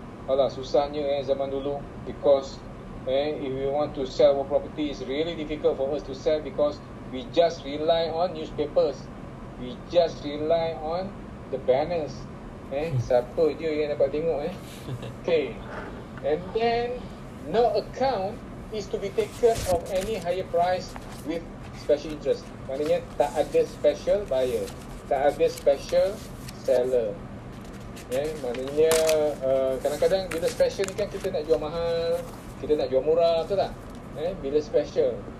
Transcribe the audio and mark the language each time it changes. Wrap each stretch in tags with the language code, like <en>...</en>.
<ms>Alah, susahnya zaman dulu,</ms> <en>because if we want to sell our property, it's really difficult for us to sell because we just rely on newspapers. We just rely on the banners.</en> <ms>Siapa je yang dapat tengok .</ms> <en>Okay. And then, no account is to be taken of any higher price with special interest.</en> <ms>Maknanya tak ada special buyer, tak ada special seller. Maknanya kadang-kadang bila special ni kan kita nak jual mahal, kita nak jual murah, betul tak? Bila special.</ms>